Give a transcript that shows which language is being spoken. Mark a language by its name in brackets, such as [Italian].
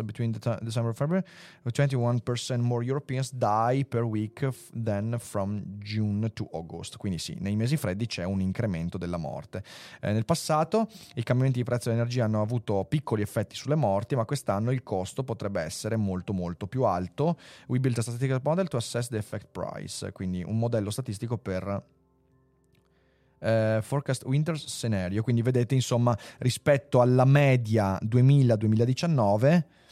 [English] Between December and February, 21% more Europeans die per week than from June to August. [Italian] Quindi sì, nei mesi freddi c'è un incremento della morte. Nel passato i cambiamenti di prezzo dell'energia hanno avuto piccoli effetti sulle morti, ma quest'anno il costo potrebbe essere molto molto più alto. [English] We built a statistical model to assess the effect price. [Italian] Quindi un modello statistico per... [English] forecast winter scenario, [Italian] quindi vedete insomma rispetto alla media 2000-2019